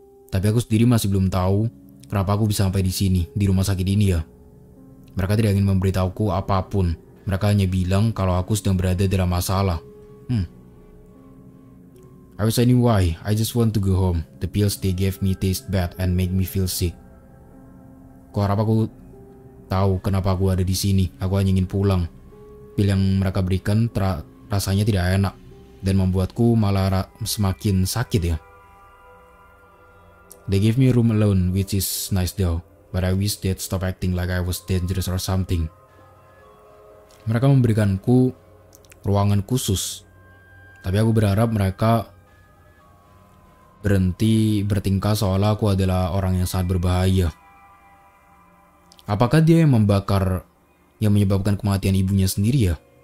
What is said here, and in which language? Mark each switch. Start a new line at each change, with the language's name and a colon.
Indonesian: Tapi aku sendiri masih belum tahu kenapa aku bisa sampai di sini, di rumah sakit ini ya. Mereka tidak ingin memberitahuku apapun. Mereka hanya bilang kalau aku sedang berada dalam masalah.
English: I wish I knew why. I just want to go home. The pills they gave me taste bad and make me feel sick.
Indonesian: Kau harap aku tahu kenapa aku ada di sini. Aku hanya ingin pulang. Pil yang mereka berikan rasanya tidak enak dan membuatku malah semakin sakit ya.
English: They gave me room alone, which is nice though. But I wish they'd stop acting like I was dangerous or something.
Indonesian: Mereka memberikanku ruangan khusus, tapi aku berharap mereka berhenti bertingkah seolah aku adalah orang yang sangat berbahaya. Apakah dia yang membakar, yang menyebabkan kematian ibunya sendiri ya?